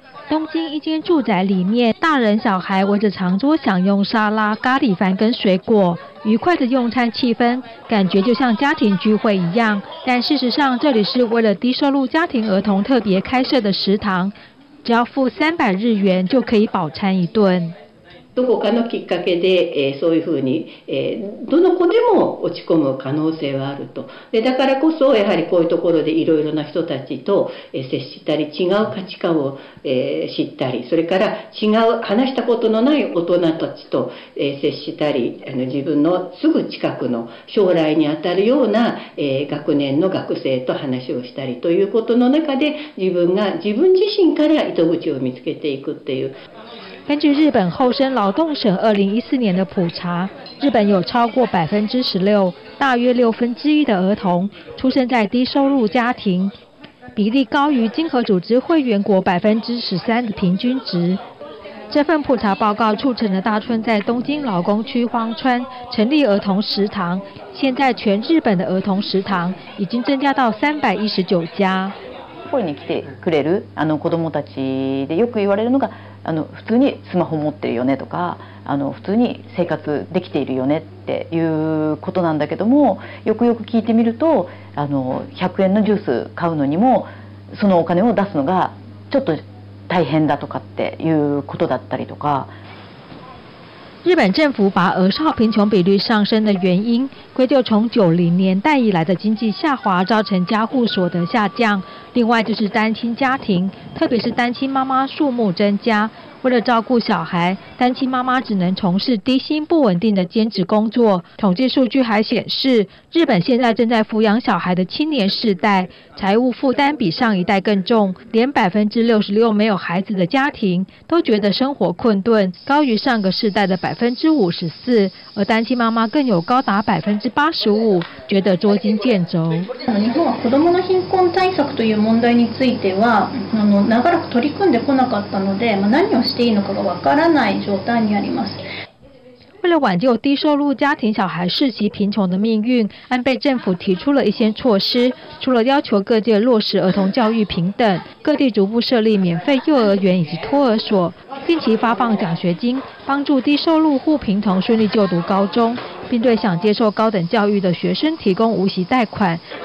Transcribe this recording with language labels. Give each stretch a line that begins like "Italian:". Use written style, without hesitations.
Chinese: 东京一间住宅里面，大人小孩围着长桌享用沙拉、咖喱饭跟水果，愉快的用餐气氛感觉就像家庭聚会一样。但事实上，这里是为了低收入家庭儿童特别开设的食堂，只要付300日元就可以饱餐一顿。
Japanese: どこかのきっかけで、そういうふうに、どの子でも落ち込む可能性はあると。で、だからこそやはりこういうところでいろいろな人たちと、接したり違う価値観を、知ったり、それから違う話したことのない大人たちと、接したり、自分のすぐ近くの将来にあたるような、学年の学生と話をしたりということの中で自分が自分自身から糸口を見つけていくっていう。
Chinese: 根据日本厚生劳动省2014年的普查，日本有超过16%，大约1/6的儿童出生在低收入家庭，比例高于经合组织会员国13%的平均值。这份普查报告促成了大村在东京劳工区荒川成立儿童食堂，现在全日本的儿童食堂已经增加到319家。
Japanese: ここに来てくれる子どもたちでよく言われるのが。普通にスマホ持ってるよねとか普通に生活できているよねっていうことなんだけども、よくよく聞いてみると100円のジュース買うのにもそのお金を出すのがちょっと大変だとかっていうことだったりとか。
Chinese: 日本政府把儿少贫穷比率上升的原因归咎从90年代以来的经济下滑造成家户所得下降，另外就是单亲家庭，特别是单亲妈妈数目增加，为了照顾小孩，单亲妈妈只能从事低薪不稳定的兼职工作。统计数据还显示，日本现在正在抚养小孩的青年世代，财务负担比上一代更重，连66%没有孩子的家庭都觉得生活困顿，高于上个世代的54%，而单亲妈妈更有高达85%觉得捉襟见肘。
Japanese: 日本は子供の貧困対策という問題については、長らく取り組んでこなかったので、何をしていいのかがわからない状態にあります。
Chinese: 为了挽救低收入家庭小孩世袭贫穷的命运，安倍政府提出了一些措施，除了要求各界落实儿童教育平等，各地逐步设立免费幼儿园以及托儿所，定期发放奖学金，帮助低收入户贫童顺利就读高中，并对想接受高等教育的学生提供无息贷款，